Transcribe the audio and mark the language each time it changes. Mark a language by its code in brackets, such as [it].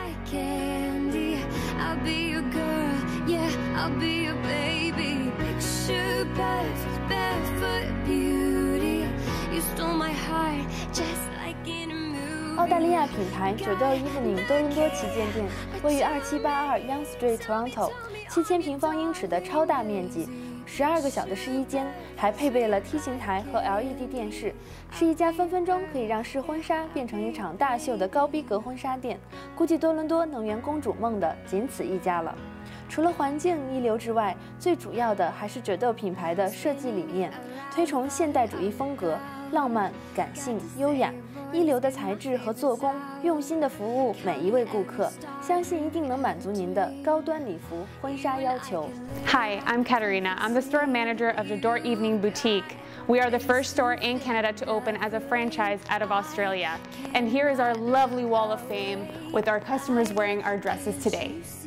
[en] Candy, I'll be your girl, yeah, I'll be your baby. Picture perfect, barefoot beauty. You stole my heart, just like in a movie. [zh] 澳大利亚品牌九调伊芙宁多伦多旗舰店位于2782 Yonge Street, Toronto， 7000平方英尺的超大面积。 12个小的试衣间，还配备了梯形台和 LED 电视，是一家分分钟可以让试婚纱变成一场大秀的高逼格婚纱店，估计多伦多能圆公主梦的仅此一家了。除了环境一流之外，最主要的还是褶豆品牌的设计理念，推崇现代主义风格，浪漫、感性、优雅，一流的材质和做工，用心的服务每一位顾客，相信一定能满足您的高端礼服婚纱要求。 [en] Hi, I'm Katerina. I'm the store manager of the Door Evening Boutique. We are the first store in Canada to open as a franchise out of Australia. And here is our lovely wall of fame with our customers wearing our dresses today.